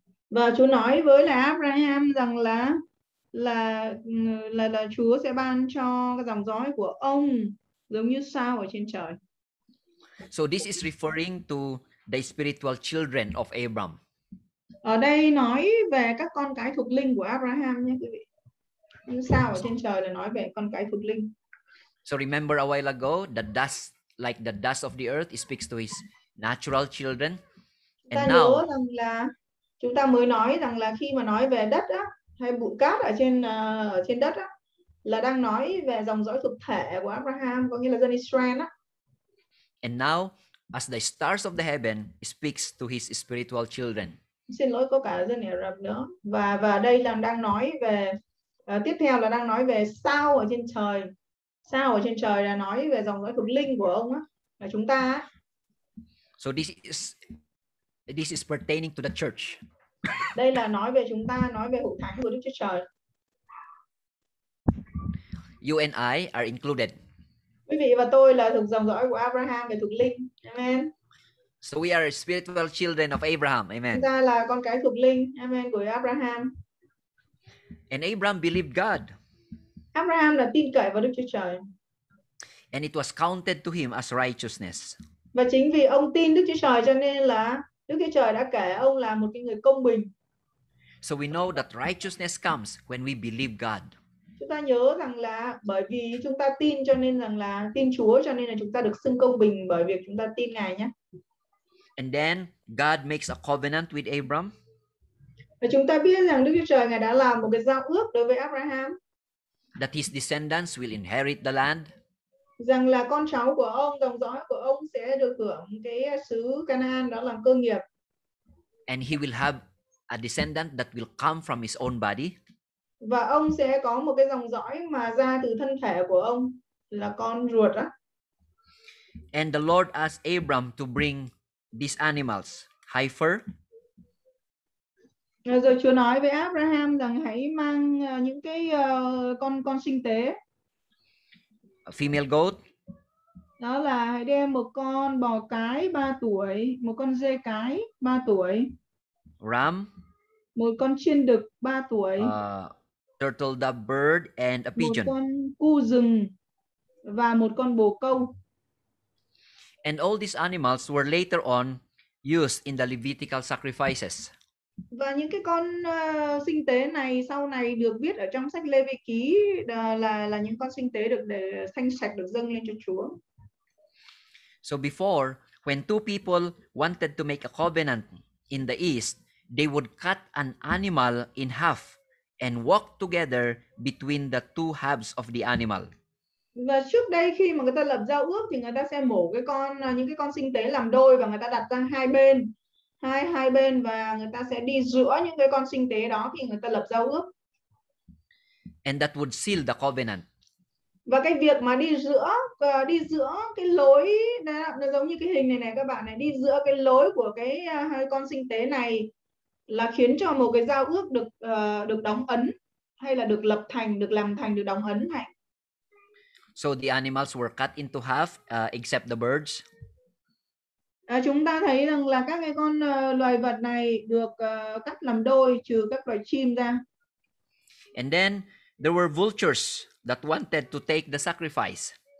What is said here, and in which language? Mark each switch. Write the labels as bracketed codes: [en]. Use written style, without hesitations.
[vi] Và Chúa nói với lại Abraham rằng là Chúa sẽ ban cho dòng dõi của ông giống như sao ở trên trời. [en] So this is referring to the spiritual children of Abram. [vi] Ở đây nói về các con cái thuộc linh của Abraham nha quý vị. Như sao ở trên trời là nói về con cái thuộc linh. [en] So remember a while ago, the dust, like the dust of the earth, speaks to his natural children. [vi] And ta now, nhớ rằng là chúng ta mới nói rằng là khi mà nói về đất á, hay bụi cát ở trên đất á, là đang nói về dòng dõi thuộc thể của Abraham, có nghĩa là dân Israel á. [en] And now, as the stars of the heaven speaks to his spiritual children. [vi] Xin lỗi, có cả dân Ả Rập nữa. Và đây là đang nói về, tiếp theo là đang nói về sao ở trên trời. Sao ở trên trời là nói về dòng dõi thuộc linh của ông á, là chúng ta á. [en] So this is pertaining to the church. [vi] Đây là nói về chúng ta, nói về hội thánh của Đức Chúa Trời. [en] You and I are included. [vi] Quý vị và tôi là thuộc dòng dõi của Abraham, về thuộc linh. [en] Amen. So we are spiritual children of Abraham. Amen. [vi] Chúng ta là con cái thuộc linh. Amen. Của Abraham. [en] And Abraham believed God. [vi] Abraham là tin cậy vào Đức Chúa Trời. [en] And it was counted to him as righteousness. [vi] Và chính vì ông tin Đức Chúa Trời cho nên là Đức Chúa Trời đã kể ông là một cái người công bình. [en] So we know that righteousness comes when we believe God. [vi] Chúng ta nhớ rằng là bởi vì chúng ta tin cho nên rằng là tin Chúa cho nên là chúng ta được xưng công bình bởi việc chúng ta tin Ngài nhé. [en] And then God makes a covenant with Abram. [vi] Và chúng ta biết rằng Đức Chúa Trời Ngài đã làm một cái giao ước đối với Abraham. [en] That his descendants will inherit the land. [vi] Rằng là con cháu của ông, dòng dõi của ông sẽ được hưởng cái xứ Canaan đó làm cơ nghiệp. [en] And he will have a descendant that will come from his own body. [vi] Và ông sẽ có một cái dòng dõi mà ra từ thân thể của ông là con ruột á. [en] And the Lord asked Abram to bring these animals, heifer. [vi] Rồi Chúa nói với Abraham rằng hãy mang những cái con sinh tế. [en] A female goat. [vi] Đó là hãy đem một con bò cái 3 tuổi, một con dê cái 3 tuổi. [en] Ram. [vi] Một con chiên đực 3 tuổi. [en] Turtle dove bird and a pigeon. [vi] Một con cu rừng và một con bồ câu. [en] And all these animals were later on used in the Levitical sacrifices. [vi] Và những cái con sinh tế này sau này được viết ở trong sách Lê Vị Ký là những con sinh tế được để thanh sạch, được dâng lên cho Chúa. [en] So before, when two people wanted to make a covenant in the east, they would cut an animal in half and walk together between the two halves of the animal. [vi] Và trước đây khi mà người ta lập giao ước thì người ta sẽ mổ cái con, những cái con sinh tế làm đôi và người ta đặt ra hai bên. Hai bên và người ta sẽ đi giữa những cái con sinh tế đó khi người ta lập giao ước. [en] And that would seal the covenant. [vi] Và cái việc mà đi giữa cái lối này, nó giống như cái hình này này các bạn này, đi giữa cái lối của cái hai con sinh tế này là khiến cho một cái giao ước được được đóng ấn, hay là được lập thành, được làm thành, được đóng ấn này. [en] So the animals were cut into half except the birds. [vi] Chúng ta thấy rằng là các cái con loài vật này được cắt làm đôi trừ các loài chim ra. [en] And then there were vultures that wanted to take the sacrifice.